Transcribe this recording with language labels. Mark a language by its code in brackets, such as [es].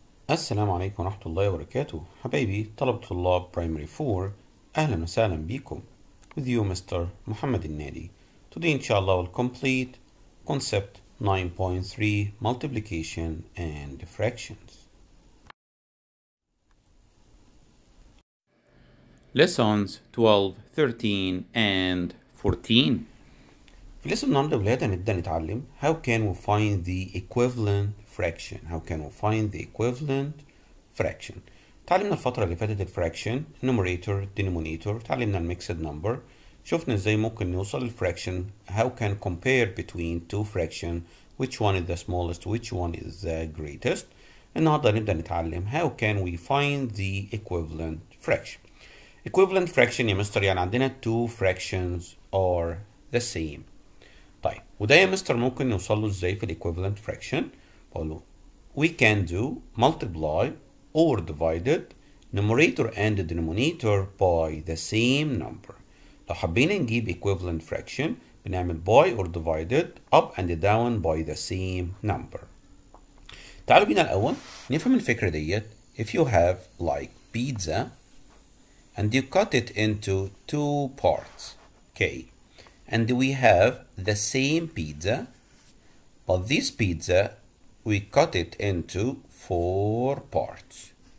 [ar] السلام عليكم ورحمة الله وبركاته حبايبي طلبة الله برايمري 4، أهلا وسهلا بكم. [en] With you Mr. محمد النادي. Today inshallah we'll complete concept 9.3 multiplication and fractions. Lessons 12, 13 and 14. [ar] في [en] lesson [ar] النهاردة ولادة نبدأ نتعلم [en] how can we find the equivalent fraction. How can we find the equivalent fraction? [ar] تعلمنا الفترة اللي فاتت الفراكشن [en] numerator, denominator. [ar] تعلمنا المكسد نمبر. شفنا ازاي ممكن نوصل الفراكشن. [en] How can compare between two fraction? Which one is the smallest? Which one is the greatest? [ar] النهارده نبدأ نتعلم [en] how can we find the equivalent fraction. Equivalent fraction [ar] يا مستر يعني عندنا [en] two fractions are the same. [ar] طيب وده يا مستر ممكن نوصل له ازاي في [en] الequivalent fraction؟ We can do multiply or divided numerator and denominator by the same number. [ar] لو حبينا نجيب [en] equivalent fraction [ar] بنعمل [en] by or divided up and down by the same number. [ar] تعالوا بينا الأول نفهم الفكرة ديت. [en] If you have like pizza and you cut it into two parts, okay, and we have the same pizza, but this pizza we cut it into four parts.